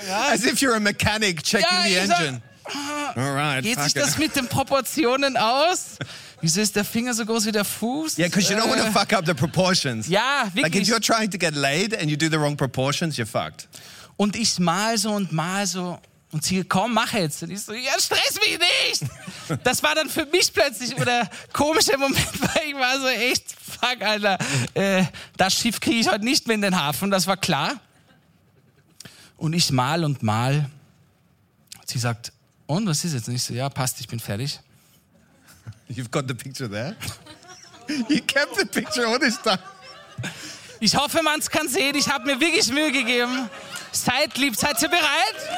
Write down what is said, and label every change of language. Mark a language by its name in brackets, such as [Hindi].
[English] As if you're a mechanic checking the engine. [German] Geht sich das mit den Proportionen aus? Wieso ist der Finger so groß wie der Fuß? [English] Yeah, because you don't want to fuck up the proportions. [German] Ja, wirklich. [English] Like if you're trying to get laid and you do the wrong proportions, you're fucked. [German] Und ich mal so und mal so und sie komm, mach jetzt. Und ich so, ja, stress mich nicht. Das war dann für mich plötzlich der komische Moment, weil ich war so echt, fuck, Alter. Das Schiff kriege ich heute nicht mehr in den Hafen, das war klar. Und ich mal und mal. Sie sagt, und was ist jetzt? Und ich so, ja, passt, ich bin fertig. [English] You've got the picture there. He kept the picture all this time. [German] Ich hoffe, man kann sehen. Ich habe mir wirklich Mühe gegeben. Seid lieb, seid ihr bereit?